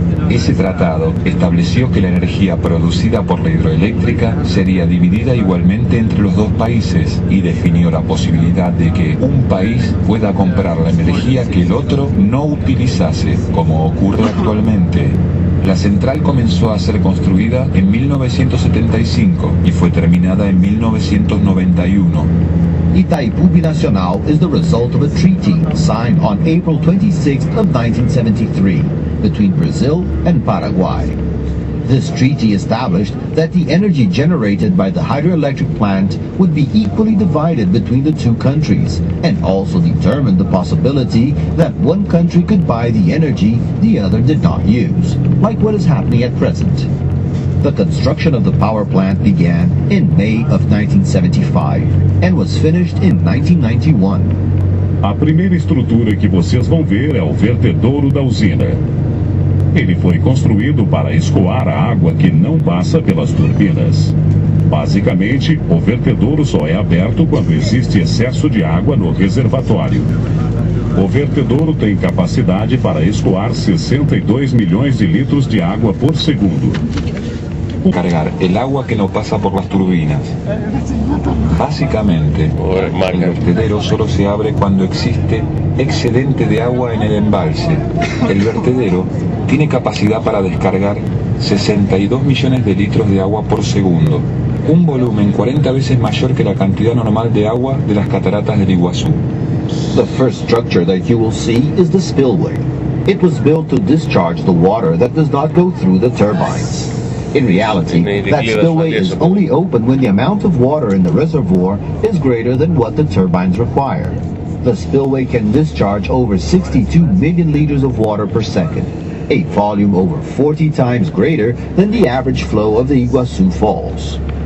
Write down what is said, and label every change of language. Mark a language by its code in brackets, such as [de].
[es] Ese tratado estableció que la energía producida por la hidroeléctrica sería dividida igualmente entre los dos países y definió la posibilidad de que un país pueda comprar la energía que el otro no utilizase, como ocurre actualmente. La central comenzó a ser construida en 1975 y fue terminada en 1991. [en] Itaipu Binacional is the result of a treaty signed on April 26th of 1973 between Brazil and Paraguay. This treaty established that the energy generated by the hydroelectric plant would be equally divided between the two countries and also determined the possibility that one country could buy the energy the other did not use, like what is happening at present. The construction of the power plant began in May of 1975 and was finished in 1991. [pt] A primeira estrutura que vocês vão ver é o vertedouro da usina. Ele foi construído para escoar a água que não passa pelas turbinas. Basicamente, o vertedouro só é aberto quando existe excesso de água no reservatório. O vertedouro tem capacidade para escoar 62 milhões de litros de água por segundo. [es] Cargar el agua que no pasa por las turbinas. Básicamente, el vertedero solo se abre cuando existe excedente de agua en el embalse. El vertedero tiene capacidad para descargar 62 millones de litros de agua por segundo, un volumen 40 veces mayor que la cantidad normal de agua de las cataratas del Iguazú. [en] The first structure that you will see is the spillway. It was built to discharge the water that does not go through the turbines. In reality, that spillway is only open when the amount of water in the reservoir is greater than what the turbines require. The spillway can discharge over 62 million liters of water per second, a volume over 40 times greater than the average flow of the Iguazu Falls.